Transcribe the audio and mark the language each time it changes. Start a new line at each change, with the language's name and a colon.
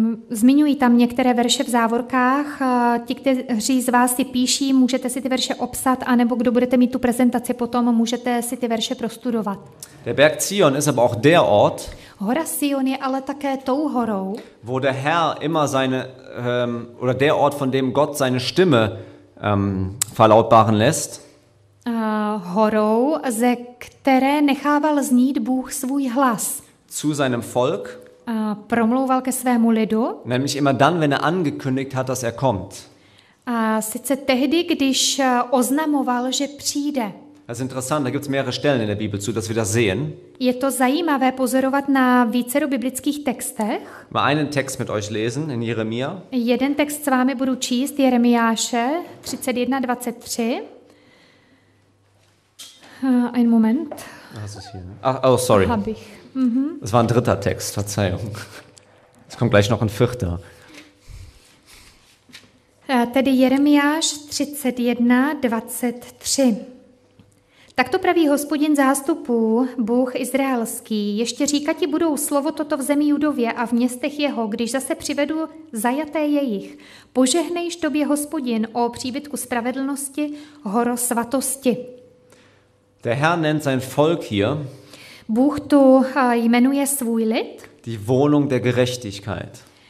Czech: Zmiňuji tam některé verše v závorkách. Ti, kteří z vás si píší, můžete si ty verše opsat, anebo kdo budete mít tu prezentaci potom, můžete si ty verše prostudovat.
German: Der Berg Zion ist aber auch der Ort,
Czech: hora Sion je ale také tou horou,
German: wo der Herr immer seine, oder der Ort, von dem Gott seine Stimme verlautbaren lässt.
Czech: Horou, ze které nechával znít Bůh svůj hlas.
German: Zu seinem Volk.
Czech: Promlouval ke svému lidu.
German: Nämlich immer dann, wenn er angekündigt hat, dass er kommt.
Czech: A sice tehdy, když oznamoval, že přijde.
German: Das ist interessant, da gibt es mehrere Stellen in der Bibel zu, dass wir das sehen.
Czech: Je to zajímavé pozorovat na vícero biblických textech.
German: Mal einen Text mit euch lesen in Jeremia.
Czech: Jeden text s vámi budu číst, Jeremiáše 31:23.
German: Ein Moment. Das ist hier, ne? Ach, oh, sorry. Hab ich. Mhm. Das war ein dritter Text, Verzeihung. Es kommt gleich noch ein vierter.
Czech: Tedy Jeremiáš 31:23. Tak to praví Hospodin zástupů, Bůh izraelský, ještě říkat ti budou slovo toto v zemi Judově a v městech jeho, když zase přivedu zajaté jejich. Požehnejš tobě, Hospodin, o příbytku spravedlnosti, horo svatosti.
German: Der Herr nennt sein Volk hier.
Czech: Bůh tu jmenuje svůj lid.
German: Die Wohnung der Gerechtigkeit.